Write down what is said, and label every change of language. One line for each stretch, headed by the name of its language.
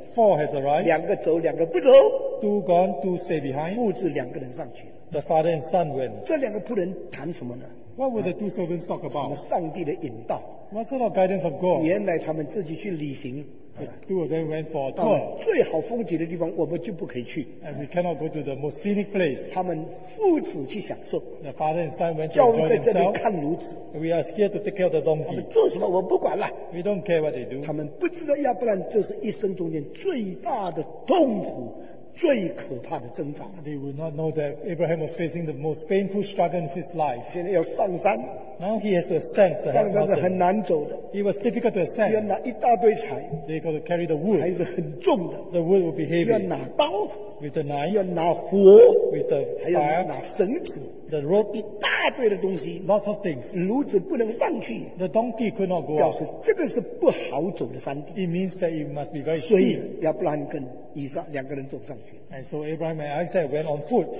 English: 4 has arrived.
Chinese: 两个走，两个不走。
English: 2 gone, 2 stay behind.
Chinese: 父子两个人上去。
English: The father and son went.
Chinese: 这两个仆人谈什么呢
English: ？What were the two servants talk about?
Chinese: 什么上帝的引导
English: ？What sort of guidance of God?
Chinese: 原来他们自己去旅行。
English: Two of them went for a tour.
Chinese: 最好风景的地方我们就不可以去。
English: And we cannot go to the most scenic place.
Chinese: 他们父子去享受。
English: The father and son went to enjoy themselves.
Chinese: 叫我们在这里看驴子。
English: We are scared to take care of the donkey.
Chinese: 他们做什么我不管了。
English: We don't care what they do.
Chinese: 他们不知道，要不然这是一生中间最大的痛苦。最可怕的挣扎。
English: They would not know that Abraham was facing the most painful struggle in his life.
Chinese: 现在要上山。
English: Now he has to ascend the
Chinese: mountain. 上山是很难走的。
English: It was difficult to ascend.
Chinese: 要拿一大堆柴。
English: They got to carry the wood.
Chinese: 柴是很重的。
English: The wood will be heavy.
Chinese: 要拿刀。
English: With the knife.
Chinese: 要拿火。
English: With the fire.
Chinese: 还要拿绳子。
English: The rope.
Chinese: 一大堆的东西。
English: Lots of things.
Chinese: 驴子不能上去。
English: The donkey could not go up.
Chinese: 表示这个是不好走的山地。
English: It means that it must be very steep.
Chinese: 所以要不然跟以撒两个人走上去。
English: And so Abraham and Isaac went on foot.